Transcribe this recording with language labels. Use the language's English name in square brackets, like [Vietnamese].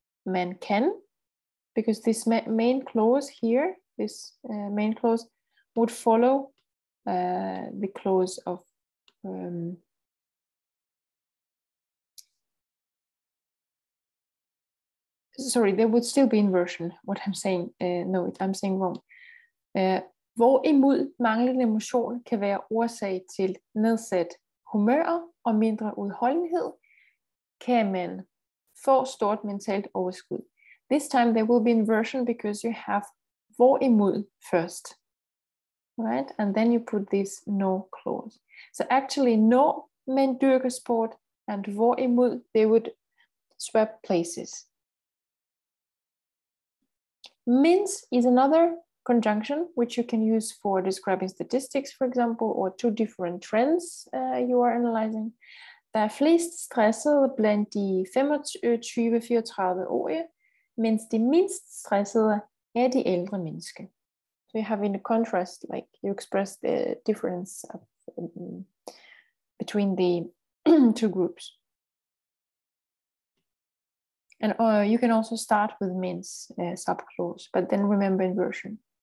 [Danish] Man kan, [English] because this main clause here, this main clause would follow the clause of there would still be inversion. What I'm saying, I'm saying wrong. [Danish] Hvorimod manglende emotion kan være årsag til nedsat humør og mindre udholdenhed, kan man få stort mentalt overskud. [English] This time there will be inversion because you have hvorimod first, right? And then you put this når clause. So actually, når man dyrker sport and hvorimod, they would swap places. Mens is another conjunction, which you can use for describing statistics, for example, or two different trends you are analyzing. [Danish] Der flest stressede blandt de 25-34-årige, mens de mindst stressede er de ældre mennesker. [English] So you have in a contrast, like you express the difference of, between the two groups. And you can also start with mens subclause, but then remember inversion.